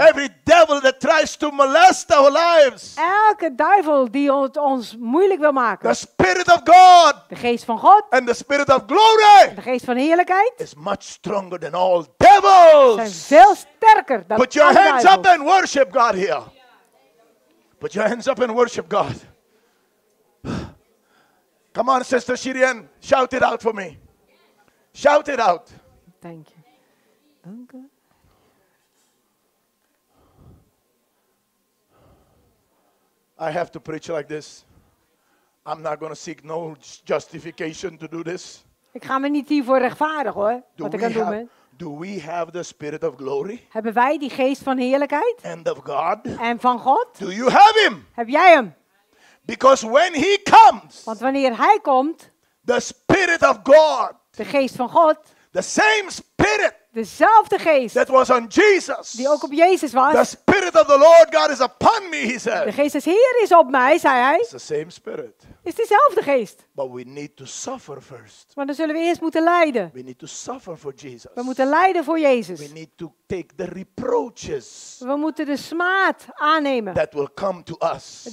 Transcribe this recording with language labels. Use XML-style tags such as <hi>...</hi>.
<en>Every devil that tries to molest our lives.</en> <nl>Elke duivel die het ons moeilijk wil maken.</nl> <en>The spirit of God.</en> <nl>De geest van God.</nl> <en>And the spirit of glory.</en> <nl>De geest van heerlijkheid.</nl> <en>Is much stronger than all devils.</en> <nl>Zijn veel sterker dan alle</nl> <en>duivels. Put your hands up and worship God here. Put your hands up and worship God. Come on, Sister Shirien, shout it out for me. Shout it out. Thank you.</en> <nl>Dank u.</nl> <en>I have to preach like this. I'm not going to seek no justification to do this.</en> <nl>Ik ga me niet hiervoor rechtvaardigen hoor, do wat ik aan doen ben.</nl> <en>Do we have the spirit of glory?</en> <nl>Hebben wij die geest van heerlijkheid?</nl> <en>And of God?</en> <nl>En van God?</nl> <en>Do you have him?</en> <nl>Heb jij hem?</nl> <en>Because when he comes,</en> <nl>want wanneer hij komt,</nl> <en>the spirit of God,</en> <nl>de geest van God,</nl> <en>the same spirit,</en> <nl>dezelfde geest,</nl> <en>that was on Jesus,</en> <nl>die ook op Jezus was,</nl> <en>the spirit of the Lord God is upon me, he said,</en> <nl>de geest des Heer is op mij, zei hij,</nl> <en>it's the same spirit,</en> <nl>is diezelfde geest,</nl> <en>but we need to suffer first,</en> <nl>maar dan zullen we eerst moeten lijden,</nl> <en>we need to suffer for Jesus,</en> <nl>we moeten lijden voor Jezus,</nl> <en>we need to take the reproaches,</en> <nl>we moeten de smaad aannemen,</nl> <en>that will come to us,</en>